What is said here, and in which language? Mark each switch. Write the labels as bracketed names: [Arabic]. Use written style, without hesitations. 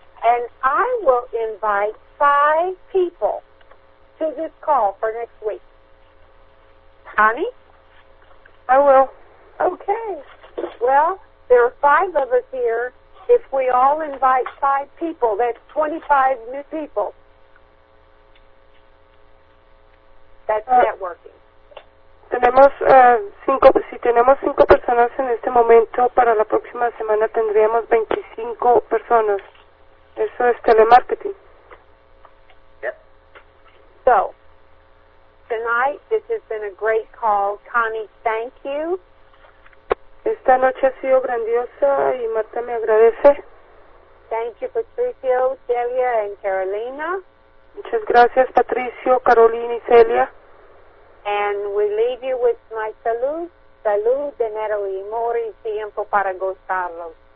[English] And I will invite 5 people to this call for next week. Connie? I will. Okay. Well, there are 5 of us here. If we all invite 5 people, that's 25 new people. [Spanish] Tenemos 5, si tenemos 5 personas en este momento, para la próxima semana tendríamos 25 personas. Eso es telemarketing. [English] Yep. So, tonight this has been a great call. Connie, thank you. [Spanish] Esta noche ha sido grandiosa y Marta me agradece. [English] Thank you, Patricio, Celia, and Carolina. [Spanish] Muchas gracias, Patricio, Carolina y Celia. [English] And we leave you with my [Spanish] salud, salud, dinero y amor y tiempo para gozarlo.